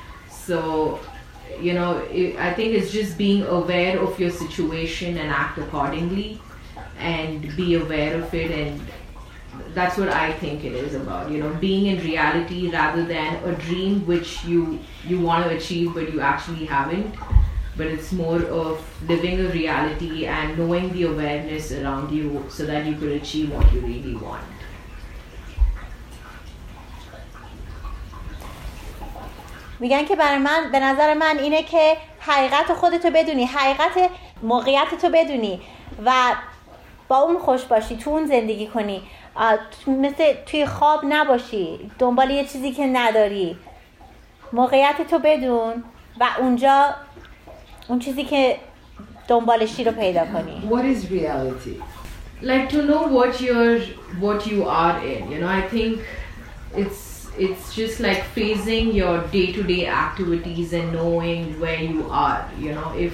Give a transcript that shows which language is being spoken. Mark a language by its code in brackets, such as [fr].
[en] So you know, I think it's just being aware of your situation and act accordingly and be aware of it, and that's what I think it is about, you know, being in reality rather than a dream which you want to achieve but you actually haven't, but it's more of living a reality and knowing the awareness around you so that you could achieve what you really want. [fa] میگن که برای من، به نظر من اینه که حقیقت خودتو بدونی، حقیقت موقعیتتو بدونی و با اون خوش باشی، تو اون زندگی کنی، مثل توی خواب نباشی، دنبال یه چیزی که نداری، موقعیتتو بدون و اونجا اون چیزی که دنبالشی رو پیدا کنی. [en] What is reality? Like to know what you are in, you know, I think it's just like phasing your day-to-day activities and knowing where you are, you know.